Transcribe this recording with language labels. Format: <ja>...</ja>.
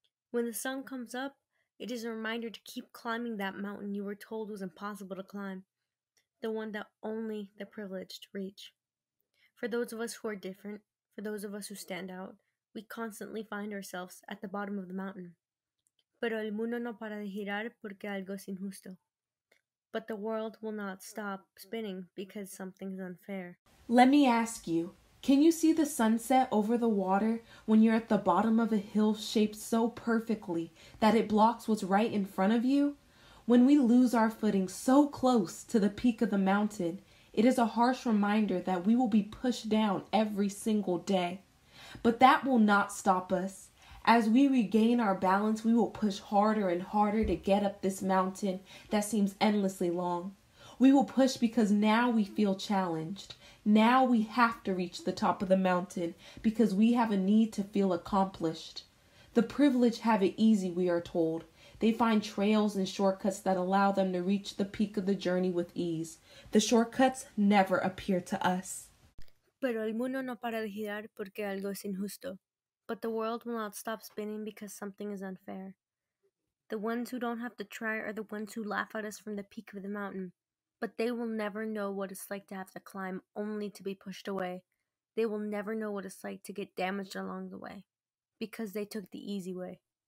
<en>When the sun comes up, it is a reminder to keep climbing that mountain you were told was impossible to climb, the one that only the privileged reach. For those of us who are different, for those of us who stand out, we constantly find ourselves at the bottom of the mountain.</en> <es>Pero el mundo no para de girar porque algo es injusto.</es> <en>But the world will not stop spinning because something is unfair. Let me ask you, can you see the sunset over the water when you're at the bottom of a hill shaped so perfectly that it blocks what's right in front of you? When we lose our footing so close to the peak of the mountain, it is a harsh reminder that we will be pushed down every single day. But that will not stop us. As we regain our balance, we will push harder and harder to get up this mountain that seems endlessly long. We will push because now we feel challenged. Now we have to reach the top of the mountain because we have a need to feel accomplished. The privileged have it easy, we are told. They find trails and shortcuts that allow them to reach the peak of the journey with ease. The shortcuts never appear to us.</en> <es>Pero el mundo no para de girar porque algo es injusto.</es> <en>But the world will not stop spinning because something is unfair. The ones who don't have to try are the ones who laugh at us from the peak of the mountain. But they will never know what it's like to have to climb only to be pushed away. They will never know what it's like to get damaged along the way because they took the easy way.</en>